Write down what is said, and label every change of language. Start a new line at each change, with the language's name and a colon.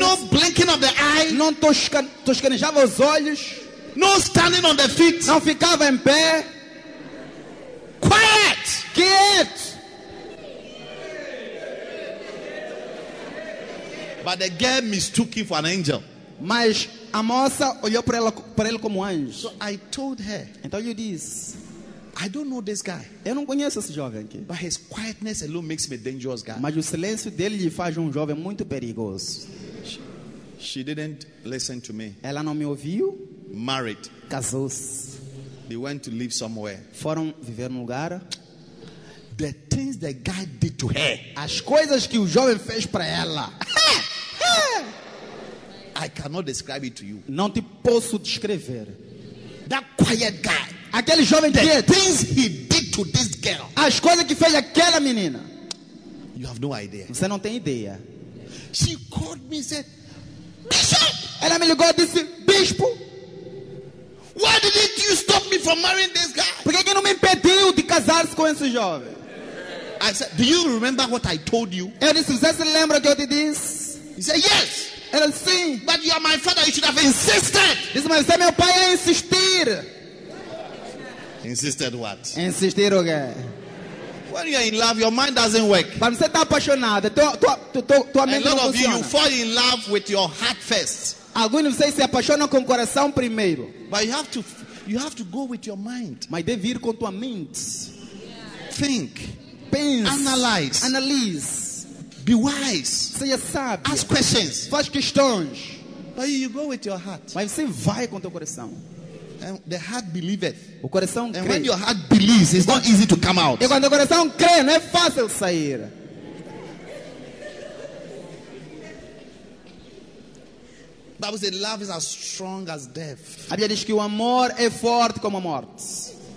English: No blinking of the eye.
Portuguese: Não toscanejava os olhos.
English: No standing on the feet.
Portuguese: Não ficava em pé.
English: Quiet.
Portuguese: Quem é?
English: But the girl mistook him for an angel.
Portuguese: Mas a moça olhou para ela, para ele como anjo.
English: So I told her.
Portuguese: Então eu disse,
English: I don't know this guy.
Portuguese: Eu não conheço esse jovem aqui.
English: But his quietness alone makes me a dangerous guy.
Portuguese: Mas o silêncio dele lhe faz jovem muito perigoso.
English: She didn't listen to me.
Portuguese: Ela não me ouviu.
English: Married.
Portuguese: Casou-se.
English: They went to live somewhere.
Portuguese: Foram viver num lugar.
English: The things the guy did to her.
Portuguese: As coisas que o jovem fez para ela.
English: I cannot describe it to you.
Portuguese: Não te posso descrever.
English: That quiet guy.
Portuguese: Aquele jovem
English: the
Portuguese: quieto.
English: Things he did to this girl.
Portuguese: As coisas que fez aquela menina.
English: You have no idea.
Portuguese: Você não tem ideia.
English: She called me and said, Bishop.
Portuguese: Ela me ligou e disse, Bispo.
English: Why didn't you stop me from marrying this guy?
Portuguese: Por que não me impediu de casar-se com esse jovem?
English: I said, do you remember what I told you?
Portuguese: Eu disse, você se lembra que eu te disse?
English: He said, yes.
Portuguese: Ele disse, sim.
English: But you are my father, you should have insisted.
Portuguese: Disse, mas você é meu pai, é insistir.
English: Insisted what?
Portuguese: Insistir o quê?
English: When you are in love, your mind doesn't work.
Portuguese: Mas você está apaixonado, tua mente não funciona.
English: A lot of you, you fall in love with your heart first.
Portuguese: Alguns de vocês se apaixonam com o coração primeiro.
English: But you have to go with your mind.
Portuguese: Mas deve ir com tua mente.
English: Think.
Portuguese: Pense.
English: Analyze.
Portuguese: Analyse.
English: Be wise.
Portuguese: Seja sábio.
English: Ask questions.
Portuguese: Faz questões.
English: But you go with your heart.
Portuguese: Mas você vai com teu coração.
English: And the heart believeth.
Portuguese: O coração
English: and
Portuguese: crê.
English: And when your heart believes, it's not easy to come out.
Portuguese: E quando o coração crê, não é fácil sair.
English: Bible says love is as strong as death.
Portuguese: A Bíblia diz que o amor é forte como a morte.